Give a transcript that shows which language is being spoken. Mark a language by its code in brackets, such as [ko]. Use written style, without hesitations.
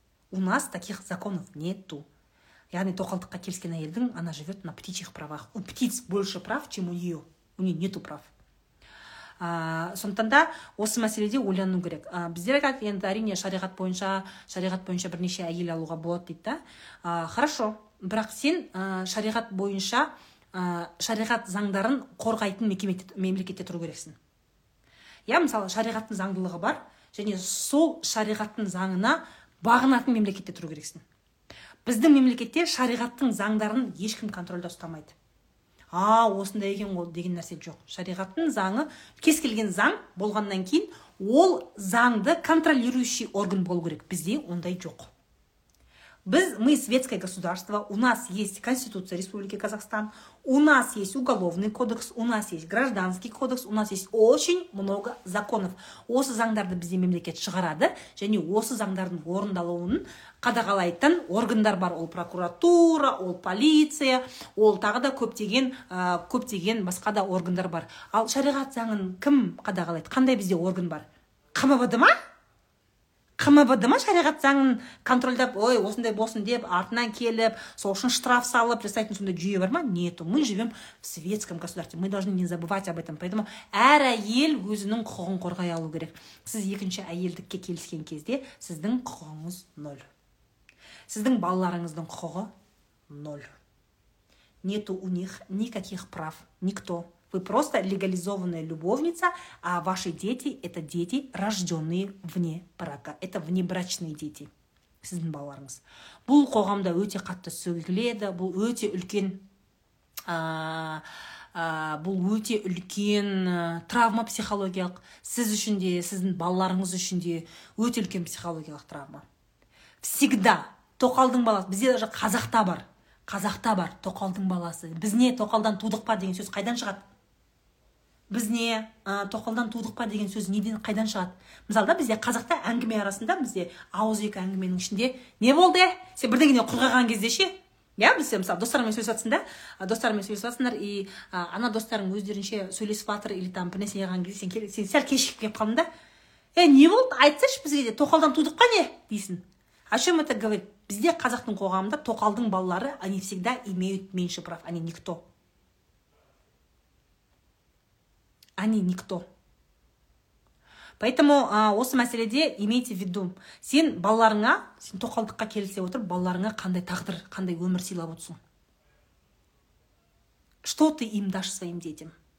[ru] У нас таких законов нету. [kk] Яғни тоқалдыққа келіскен әйелдің [ru] она живет на птичьих правах. У птиц больше прав, чем у нее. У нее нету прав. [kk] Сондықтан да осы мәселеде ойлану керек. Біздер айтады, енді әрине шариғат бойынша бірнеше әйел алуға болады дейді. Хорошо, бірақ сен шариғат бойынша шариғат заңдарын қорғайтын мемлекетте тұру керексің. Я, мысалы, шариғаттың заңдылығы бар, және сол шариғаттың заңына бағынатын мемлекетте тұру керексің. Біздің мемлекетте шариғаттың заңдарын ешкім контрольда ұстамайды. Осындай екен ғой деген нәрсе жоқ. Шариғаттың заңы, кез келген заң болғаннан кейін, ол заңды контролирующий орган болу керек. Бізде ондай жоқ. Біз, [ru] мы светское государство, у нас есть Конституция Республики Казахстан, у нас есть Уголовный кодекс, у нас есть Гражданский кодекс, у нас есть очень много законов. [kk] Осы заңдарды бізде мемлекет шығарады, және осы заңдардың орындалуын қадағалайтын органдар бар. Ол прокуратура, ол полиция, ол тағы да көптеген басқа да органдар бар. Ал шариғат заңын кім қадағалайды? Қандай бізде орган бар? Қамабады ма? Қамабады ма шариғат заңын контролдап, ой, осындай болсын деп, артынан келіп, сол үшін штраф салып, жасайтын сонда жүйе бар ма? [ru] Нету, мы живем в светском государстве, мы должны не забывать об этом. [kk] Поэтому әр әйел өзінің құқығын қорғай алу керек. Сіз екінші әйелдікке келіскен кезде, сіздің құқығыңыз нөл. Сіздің балаларыңыздың құқығы нөл. [ru] Нету у них никаких прав, никто. Вы просто легализованная любовница, а ваши дети – это дети, рожденные вне брака. Это внебрачные дети. [kk] Сіздің балаларыңыз. Бұл қоғамда өте қатты сөйледі, бұл өте үлкен, бұл өте үлкен травма психологиялық. Сіз үшін де, сіздің балаларыңыз үшін де өте үлкен психологиялық травма. Всегда тоқалдың баласы, бізде даже қазақта бар. Қазақта бар тоқалдың баласы. Біз не тоқалдан тудық па деген сөз қайдан шығады? Біз не тоқалдан тудық па деген сөз неден қайдан шығады? Мысалы, бізде қазақта әңгіме арасында бізде ауыз екі әңгіменің ішінде не болды? Сен бірдеңе құрғаған кезде ше? Иә, бізде мысалы достарымен сөйлесесіңдер, достарымен сөйлесесіңдер и ана достарың өздерінше сөйлесіп жатыр или там бір нәрсе жаған кезде сен сәл кешігіп кеп қалдың да? Не болды? Айтсайшы бізге де тоқалдан тудық па не? Дейсің. [ru] О чем это говорит? [kk] Бізде қазақтың қоғамында тоқалдың балалары [ru] они всегда имеют меньше прав, они никто. Они никто. Поэтому [kk] осы мәселеде [ru] имейте в виду. [kk] Сен балларыңа, сен тоқалдыққа келісе отырып, балларыңа қандай тағдыр, қандай өмір сыйлап отырсың? [ru] Что ты им дашь своим детям?